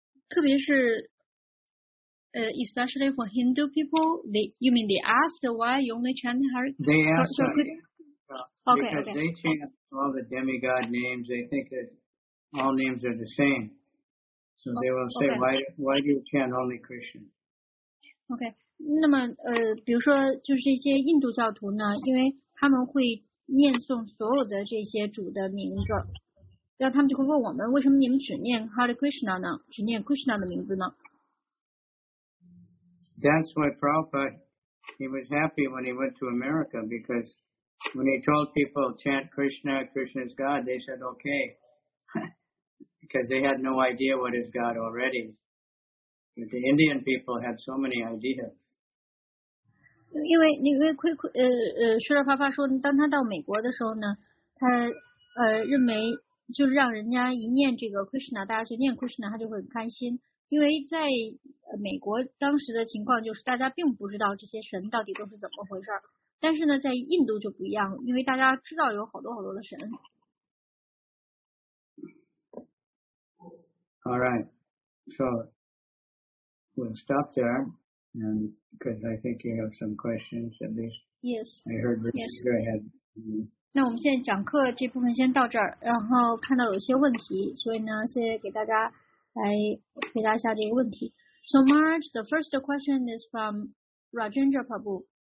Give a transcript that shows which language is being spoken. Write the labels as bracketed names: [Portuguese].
[Chinese] 特别是 [English] especially for Hindu people, you mean they ask why you only chant Hare? They ask. So, Because they chant all the demigod names, they think that all names are the same. So they will say, why do you chant only Krishna? Okay. [Chinese] 那么比如说就是这些印度教徒呢，因为他们会念诵所有的这些主的名字，然后他们就会问我们，为什么你们只念 Hare Krishna 呢？只念 Krishna 的名字呢？ [English] That's why Prabhupada, he was happy when he went to America because When he told people, chant Krishna, Krishna is God, they said, okay. Because they had no idea what is God already. But the Indian people had so many ideas. Because Srila Prabhupada said, when he went to America, he thought, [Chinese] 认为就是让人家一念这个 Krishna, 大家去念 Krishna, 他就会很开心。因为在美国当时的情况就是大家并不知道这些神到底都是怎么回事。但是呢，在印度就不一样，因为大家知道有好多好多的神。 [English] All right, so we'll stop there, and because I think you have some questions, at least. Yes. I heard Richard. Yes. Go ahead. [Chinese] 那我们现在讲课这部分先到这儿，然后看到有些问题，所以呢，先给大家来回答一下这个问题。 [English] So Maharaj, the first question is from Rajendra Prabhu.